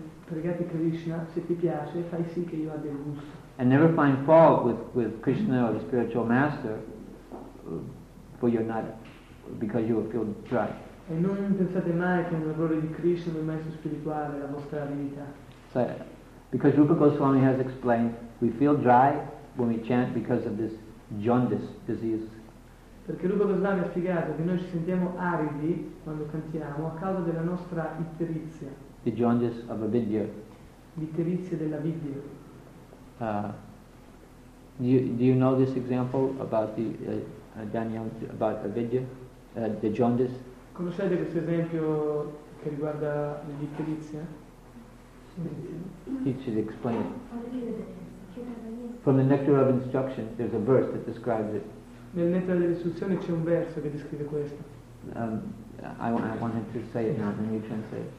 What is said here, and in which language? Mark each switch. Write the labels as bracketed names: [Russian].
[Italian] Pregati Krishna, se ti piace, fai sì che io abbia il gusto. [English] And never find fault with Krishna or the spiritual master for you're not, because you will feel dry. [Italian] E non pensate mai che è un errore di Krishna o il maestro spirituale, la vostra divinità. [English] So, because Rupa Goswami has explained, we feel dry when we chant because of this jaundice disease. [Italian] Perché Rupa Goswami ha spiegato che noi ci sentiamo aridi quando cantiamo a causa della nostra itterizia. [English] The jaundice of avidya. [Italian] L'itterizia della vidya. [English] Do you know this example about the Daniel about avidya, the jaundice? [Italian] Conoscete questo esempio che riguarda l'itterizia? [English] He should explain it. From the Nectar of Instruction, there's a verse that describes it. [Italian] Nel Nettare delle Istruzioni c'è un verso che descrive questo. [English] I want him to say it now, and you translate it.